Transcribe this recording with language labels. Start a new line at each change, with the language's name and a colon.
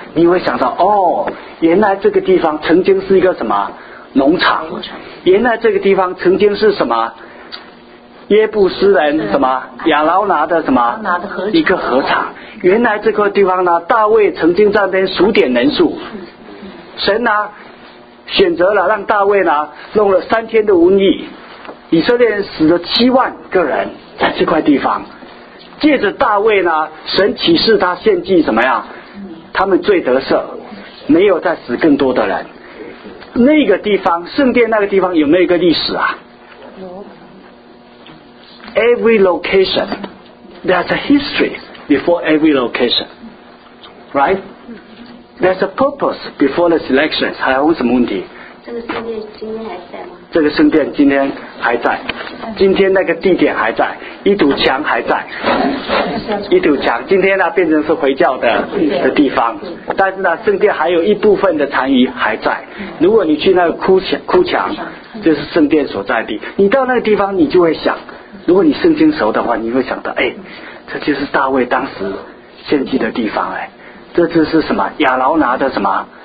Chinese: 你会想到，哦，原来这个地方曾经是一个什么农场，原来这个地方曾经是什么耶布斯人什么亚劳拿的什么一个合场，原来这个地方呢，大卫曾经在那边数点人数，神呢选择了让大卫呢弄了三天的瘟疫，以色列人死了七万个人在这块地方，借着大卫呢，神启示他献祭什么呀？他们罪得赦，没有再死更多的人。那个地方，圣殿那个地方有没有一个历史啊？有。
English: Every location, there's a history before every location, right? There's a purpose before the selection.
Chinese: 还有什么问题？这个圣殿今天还在吗？这个圣殿今天还在，今天那个地点还在，一堵墙还在，一堵墙今天呢变成是回教的地方，但是呢圣殿还有一部分的残余还在。如果你去那个哭墙，就是圣殿所在地，你到那个地方你就会想，如果你圣经熟的话，你会想到，哎，这就是大卫当时献祭的地方，哎，这就是什么亚劳拿的什么